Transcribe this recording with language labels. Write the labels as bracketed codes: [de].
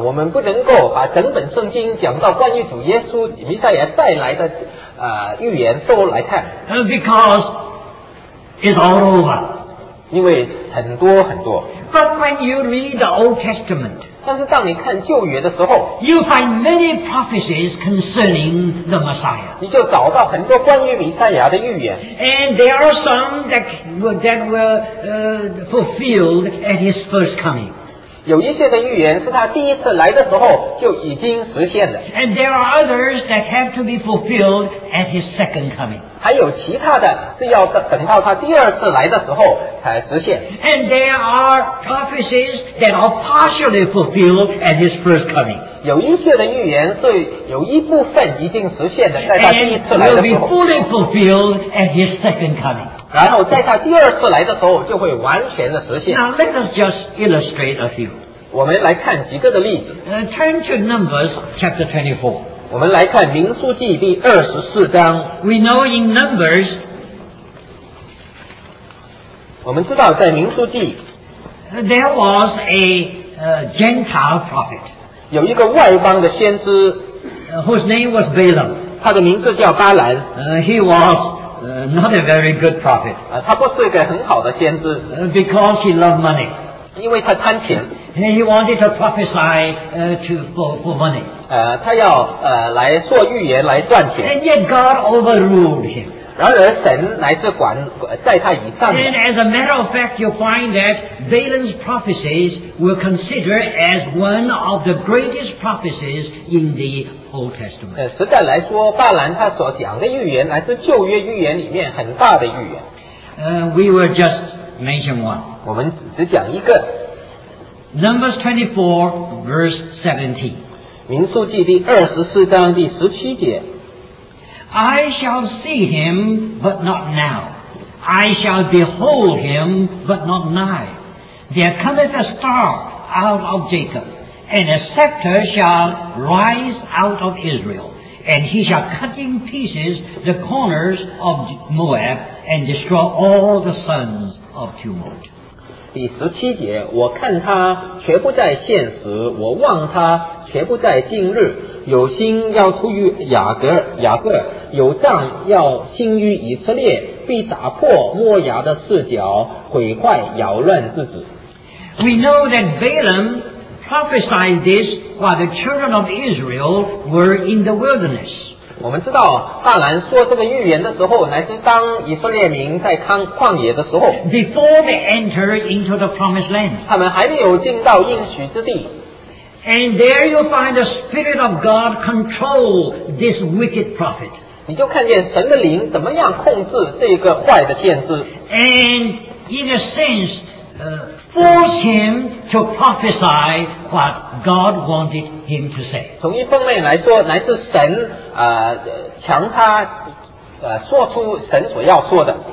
[zh] 我们不能够把整本圣经讲到关于主耶稣弥赛亚再来的预言都来看。 [en] Because it's all over. [zh] 因为很多很多。 [en] But when you read the Old Testament, [zh] 但是当你看旧约的时候， [en] you find many prophecies concerning the Messiah. [zh] 你就找到很多关于弥赛亚的预言。 [en] And there are some that were fulfilled at his first coming. [zh] 有一些的预言是他第一次来的时候就已经实现了。 [en] And there are others that have to be fulfilled at his second coming. [zh] 还有其他的是要等到他第二次来的时候才实现。 [en] And there are prophecies that are partially fulfilled at his first coming. [zh] 有一些的预言是有一部分已经实现的，在他第一次来的时候。 [en] And will be fully fulfilled at his second coming. [zh] 然后在他第二次来的时候就会完全的实现。 [en] Now let us just illustrate a few. [zh] 我们来看几个的例子。 [en] Turn to Numbers chapter 24. [zh] 我们来看民数记第二十四章。 [en] We know in Numbers, [zh] 我们知道在民数记 [en] there was a Gentile prophet, [zh] 有一个外邦的先知 [en] whose name was Balaam. [zh] 他的名字叫巴兰。 [en] He was not a very good prophet. [zh] 他不是一个很好的先知。 [en] Because he loved money. [zh] 因为他贪钱。 [en] He wanted to prophesy for money. [zh] 他要来做预言来赚钱。 [en] And yet God overruled him. [zh] 然而神乃是管在他以上的。 [en] And as a matter of fact, you find that Balaam's prophecies were considered as one of the greatest prophecies in the Old Testament. [zh] 实在来说，巴兰他所讲的预言乃是旧约预言里面很大的预言。 [en] We will just mention one. [zh] 我们只讲一个。 [en] Numbers 24, verse 17. [zh] 民数记第二十四章第十七节。 [en] I shall see him, but not now. I shall behold him, but not nigh. There cometh a star out of Jacob, and a scepter shall rise out of Israel, and he shall cut in pieces the corners of Moab, and destroy all the sons of tumult. [zh] 第十七节，我看他却不在现时，我望他却不在近日。有心要出于雅各，有杖要兴于以色列，必打破摩押的四角，毁坏扰乱之子。 [en] We know that Balaam prophesied this while the children of Israel were in the wilderness. [zh] 我们知道大兰说这个预言的时候，乃是当以色列民在旷野的时候。 [en] Before they enter into the promised land. [zh] 他们还没有进到应许之地。 [en] And there you find the Spirit of God control this wicked prophet. [zh] 你就看见神的灵怎么样控制这个坏的先知。 [en] And in a sense, force him to prophesy what God wanted him to say. [zh] 从一方面来说，乃是神强他说出神所要说的。